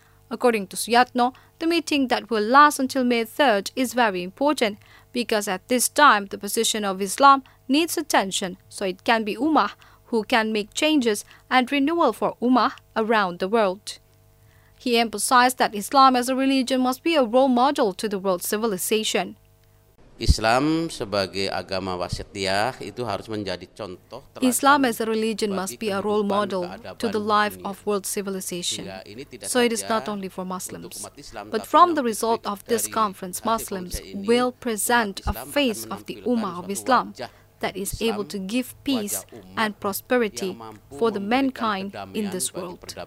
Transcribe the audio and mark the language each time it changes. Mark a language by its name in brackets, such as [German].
[English] According to Suyatno, the meeting that will last until May 3rd is very important because at this time the position of Islam needs attention so it can be Ummah who can make changes and renewal for Ummah around the world. He emphasized that Islam as a religion must be a role model to the world civilization. [Indonesian] Islam sebagai agama wasatiyah itu harus menjadi contoh. [English] Islam as a religion must be a role model to the life of world civilization. So it is not only for Muslims. But from the result of this conference, Muslims will present a face of the Ummah of Islam that is able to give peace and prosperity for the mankind in this world.